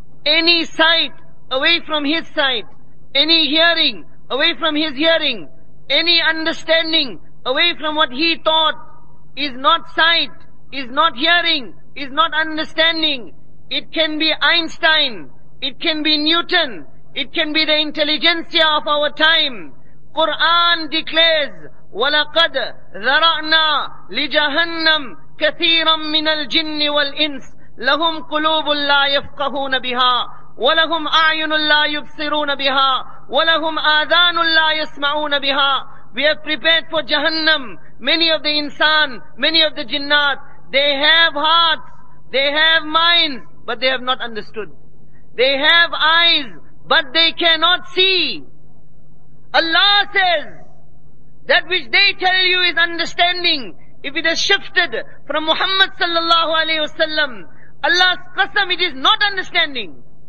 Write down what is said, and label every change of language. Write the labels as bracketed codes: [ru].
[en] Any sight away from his sight, any hearing away from his hearing, any understanding away from what he taught is not sight, is not hearing, is not understanding. It can be Einstein, it can be Newton, it can be the intelligentsia of our time. Quran declares, [ar] وَلَقَدْ ذَرَعْنَا لِجَهَنَّمْ كَثِيرًا مِنَ الْجِنِّ وَالْإِنسِ لَهُمْ قُلُوبٌ لَا يَفْقَهُونَ بِهَا وَلَهُمْ أَعْيُنٌ لَا يُبْصِرُونَ بِهَا وَلَهُمْ آذَانٌ لَا يَسْمَعُونَ بِهَا. [en] We have prepared for Jahannam many of the insan, many of the jinnat. They have hearts, they have minds, but they have not understood. They have eyes, but they cannot see. Allah says, that which they tell you is understanding, if it has shifted from Muhammad sallallahu alayhi wasallam, Allah's qasam, it is not understanding.